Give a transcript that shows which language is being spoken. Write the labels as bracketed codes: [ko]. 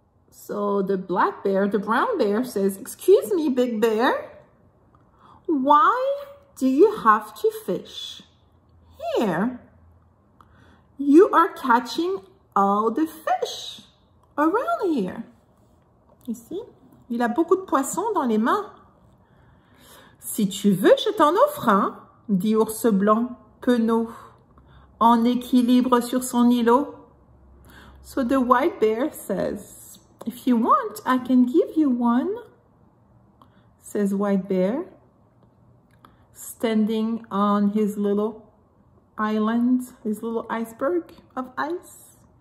[en] So the black bear, the brown bear says, "Excuse me, big bear. Why do you have to fish here? You are catching all the fish around here." [fr] Ici, il a beaucoup de poissons dans les mains. Si tu veux, je t'en offre un, dit Ours Blanc, penaud, en équilibre sur son îlot. [en] So the white bear says, "If you want, I can give you one," says White Bear, standing on his little island, his little iceberg of ice.